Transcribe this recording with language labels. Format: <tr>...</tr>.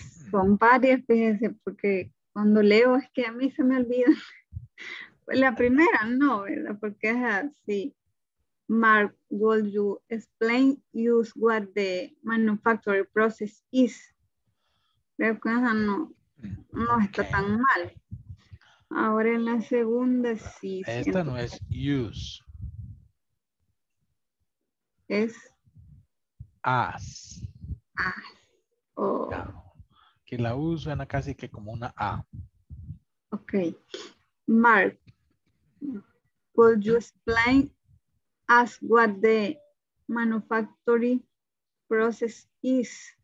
<es>Son varias, fíjense, porque cuando leo es que a mí se me olvida. La primera no, ¿verdad? Porque es así.</es> <en>Mark, would you explain use what the manufacturing process is?</en> <es>Creo que esa no está okay. Tan mal. Ahora en la segunda sí. Esta siento. No es use. es as. Ah. Oh. Que la U suena casi que como una A. Ok.</es> <en>Mark, could you explain us what the manufacturing process is?</en>